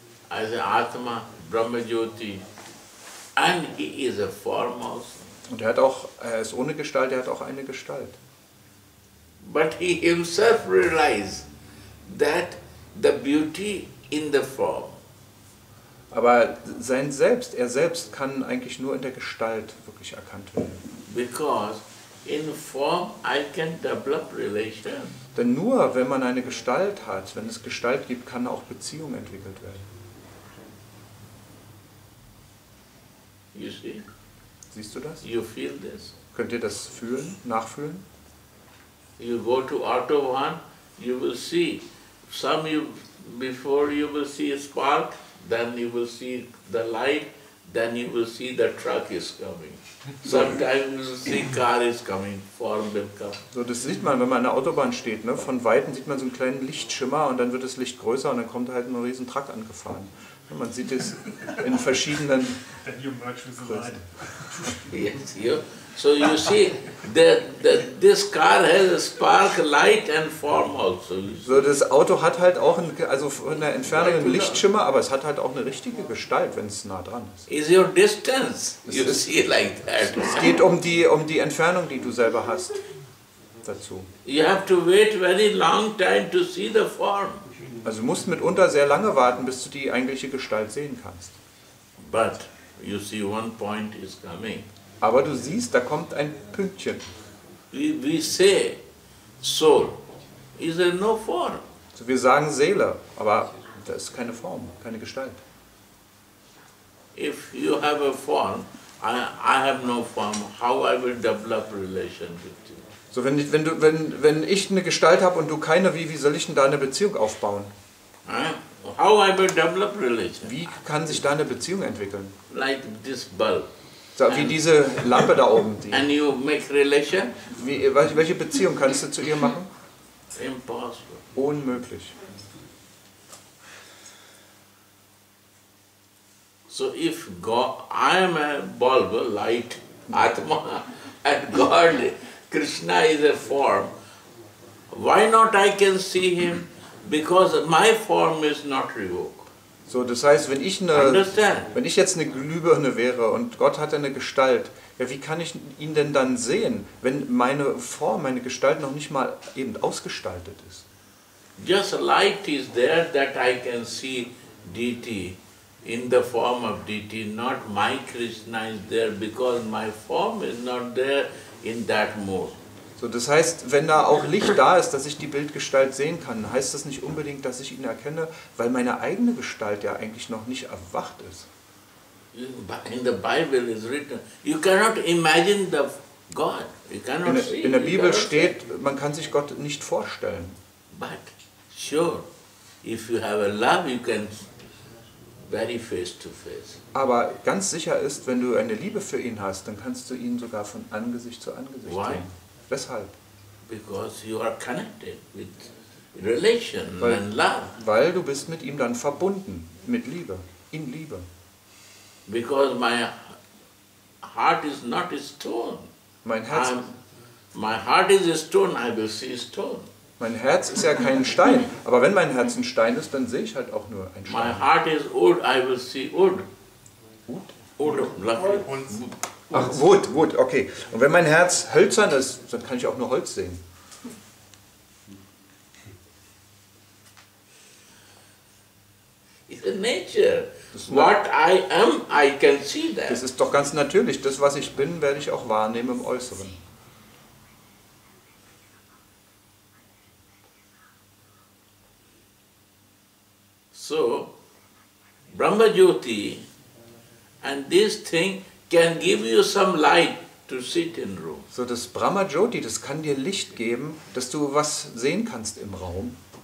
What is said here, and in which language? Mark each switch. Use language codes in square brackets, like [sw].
[en] As a Atma, Brahmajyoti, and he is a form also. [de] Und er hat auch, er ist ohne Gestalt, er hat auch eine Gestalt. [en] But he himself realized that the beauty in the form. [de] Aber sein Selbst, er selbst kann eigentlich nur in der Gestalt wirklich erkannt werden. [en] Because in form I can develop relations. [de] Denn nur wenn man eine Gestalt hat, wenn es Gestalt gibt, kann auch Beziehung entwickelt werden. [en] You see? [de] Siehst du das? [en] You feel this. [de] Könnt ihr das fühlen, nachfühlen? [en] You go to Autobahn, you will see some you before you will see a spark, then you will see the light, then you will see the truck is coming. Sometimes you will see car is coming, form will come. [de] So das sieht man, wenn man an der Autobahn steht, ne? Von weitem sieht man so einen kleinen Lichtschimmer und dann wird das Licht größer und dann kommt halt ein riesen Truck angefahren. Man sieht es in verschiedenen Größen. [en] Yes, you. So you see that this car has a spark, light and form also. [de] So das Auto hat halt auch von der Entfernung einen Lichtschimmer, aber es hat halt auch eine richtige Gestalt, wenn es nah dran ist. [en] Is your distance? You see like that. [de] Es geht um die Entfernung, die du selber hast dazu. [en] You have to wait very long time to see the form. [de] Also du musst mitunter sehr lange warten, bis du die eigentliche Gestalt sehen kannst. [en] But you see one point is coming. [de] Aber du siehst, da kommt ein Pünktchen. [en] We say soul is there no form. [de] So wir sagen Seele, aber da ist keine Form, keine Gestalt. [en] If you have a form, I have no form. How I will develop relation with you? [de] So wenn ich eine Gestalt habe und du keine, wie soll ich denn da eine Beziehung aufbauen? [en] How I will develop religion? [de] Wie kann sich da eine Beziehung entwickeln? [en] Like this bulb. [de] So, wie and, diese Lampe da oben. Die. [en] And you make relation? [de] Welche Beziehung kannst du zu ihr machen? [en] Impossible. [de] Unmöglich. [en] So if God, I am a bulb, light, Atma, and God, Krishna is a form, why not I can see him? Because my form is not revoked. [de] So, das heißt, wenn ich jetzt eine Glühbirne wäre und Gott hat eine Gestalt, ja, wie kann ich ihn denn dann sehen, wenn meine Form, meine Gestalt noch nicht mal eben ausgestaltet ist? [en] Just light is there that I can see deity in the form of deity, not my Krishna is there because my form is not there in that mode. [de] So, das heißt, wenn da auch Licht da ist, dass ich die Bildgestalt sehen kann, heißt das nicht unbedingt, dass ich ihn erkenne, weil meine eigene Gestalt ja eigentlich noch nicht erwacht ist. [en] In the Bible is written, you cannot imagine the God. You cannot see. [de] In der Bibel steht, man kann sich Gott nicht vorstellen. [en] But sure, if you have a love, you can very face to face. [de] Aber ganz sicher ist, wenn du eine Liebe für ihn hast, dann kannst du ihn sogar von Angesicht zu Angesicht sehen. Weshalb? [en] Because you are connected with relation and love. [de] Weil du bist mit ihm dann verbunden, mit Liebe, in Liebe. [en] Because my heart is not a stone. [de] Mein Herz. [en] My heart is a stone. I will see a stone. [de] Mein Herz ist ja kein Stein. Aber wenn mein Herz ein Stein ist, dann sehe ich halt auch nur ein Stein. [en] My heart is wood. I will see wood. [de] Wood. Ach, Wut, okay. Und wenn mein Herz hölzern ist, dann kann ich auch nur Holz sehen. [en] It's a nature. What I am, I can see that. [de] Das ist doch ganz natürlich. Das, was ich bin, werde ich auch wahrnehmen im Äußeren. [en] So, Brahma Jyoti and this thing can give you some light to sit in room. [de] So das Brahma Jyoti, das kann dir Licht geben, dass du was sehen kannst im Raum.